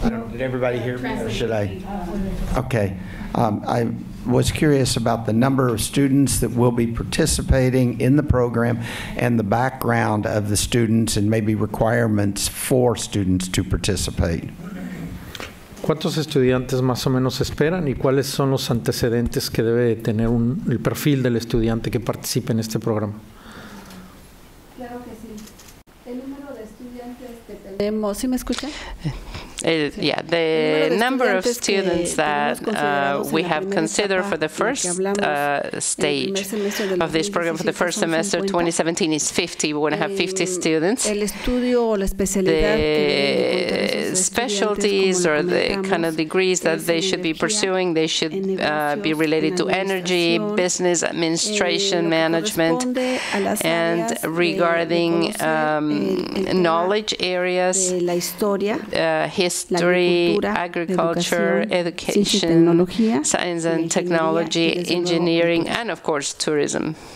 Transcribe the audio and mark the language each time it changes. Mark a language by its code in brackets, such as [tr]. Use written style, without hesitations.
[en] Did everybody hear me, or should I? Okay. I was curious about the number of students that will be participating in the program and the background of the students and maybe requirements for students to participate. [es] ¿Cuántos estudiantes más o menos esperan y cuáles son los antecedentes que debe tener el perfil del estudiante que participe en este programa? Claro que sí. El número de estudiantes que tenemos, ¿sí me escucha? [en] The number of students that we have considered for the first stage of this program for the first semester 2017 is 50. We want to have 50 students. The specialties or the kind of degrees that they should be pursuing, they should be related to energy, business, administration, management, and regarding knowledge areas, history, agriculture, education, science and technology, engineering, and of course, tourism.